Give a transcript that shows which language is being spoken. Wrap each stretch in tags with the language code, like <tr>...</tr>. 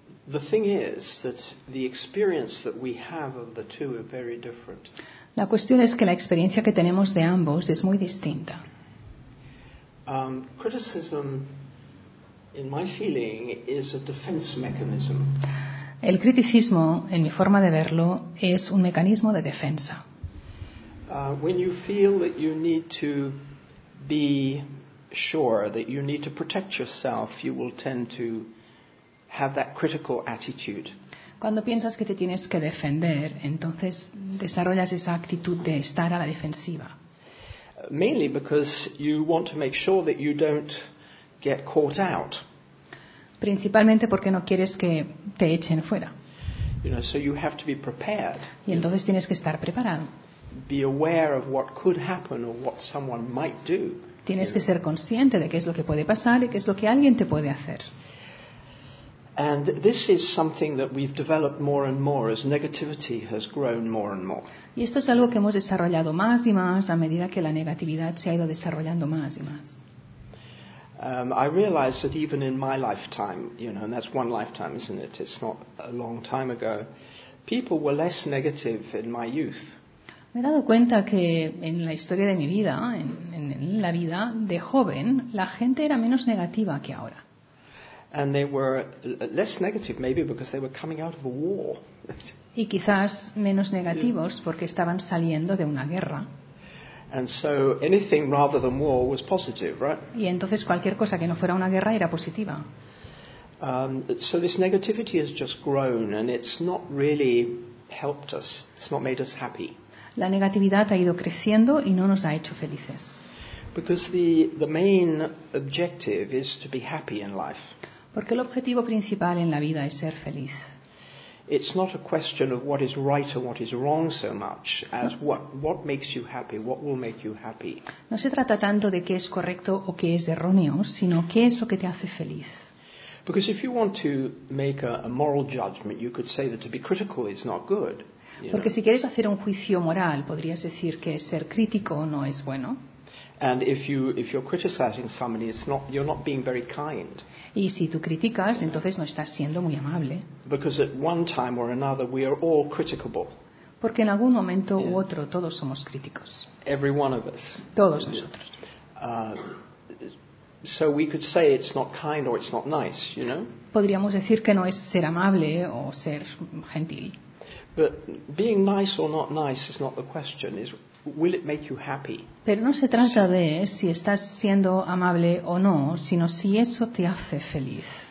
<en>The thing is that the experience that we have of the two are very different.</en> <es>La cuestión es que la experiencia que tenemos de ambos es muy distinta.</es> <en>Criticism, in my feeling, is a defense mechanism.</en> <es>El criticismo, en mi forma de verlo, es un mecanismo de defensa.</es> <en>When you feel that you need to be sure that you need to protect yourself, you will tend to have that critical attitude.</en> <es>Cuando piensas que te tienes que defender, entonces desarrollas esa actitud de estar a la defensiva.</es> <en>Mainly because you want to make sure that you don't get caught out.</en> <es>Principalmente porque no quieres que te echen fuera.</es> <en>You know, so you have to be prepared.</en> <es>Y entonces tienes que estar preparado.</es> <en>Be aware of what could happen or what someone might do.</en> <es>Tienes que ser consciente de qué es lo que puede pasar y qué es lo que alguien te puede hacer.</es> <en>And this is something that we've developed more and more as negativity has grown more and more.</en> <es>Y esto es algo que hemos desarrollado más y más a medida que la negatividad se ha ido desarrollando más y más.</es> <en>I realize that even in my lifetime, you know, and that's one lifetime, isn't it? It's not a long time ago. People were less negative in my youth.</en> <es>Me he dado cuenta que en la historia de mi vida, en la vida de joven, la gente era menos negativa que ahora.</es> <en>And they were less negative, maybe because they were coming out of a war.</en> <es>Y quizás menos negativos porque estaban saliendo de una guerra.</es> <en>And so anything rather than war was positive, right?</en> <es>Y entonces cualquier cosa que no fuera una guerra era positiva.</es> <en>So this negativity has just grown, and it's not really helped us. It's not made us happy.</en> <es>La negatividad ha ido creciendo y no nos ha hecho felices.</es> <en>Because the main objective is to be happy in life.</en> <es>Porque el objetivo principal en la vida es ser feliz.</es> <en>It's not a question of what is right or what is wrong so much as what makes you happy, what will make you happy.</en> <es>No se trata tanto de qué es correcto o qué es erróneo, sino qué es lo que te hace feliz.</es> <en>Because if you want to make a moral judgment, you could say that to be critical is not good.</en> <es>Porque si quieres hacer un juicio moral, podrías decir que ser crítico no es bueno.</es> <en>And if you're criticizing somebody, you're not being very kind.</en> <es>Y si tú criticas, entonces no estás siendo muy amable.</es> <en>Because at one time or another we are all criticable.</en> <es>Porque en algún momento u otro todos somos críticos.</es> <en>Every one of us.</en> <es>Todos nosotros.</es> <en>So we could say it's not kind or it's not nice, you know?</en> <es>Podríamos decir que no es ser amable o ser gentil.</es> <en>But being nice or not nice is not the question, is will it make you happy?</en> <es>Pero no se trata de si estás siendo amable o no, sino si eso te hace feliz.</es>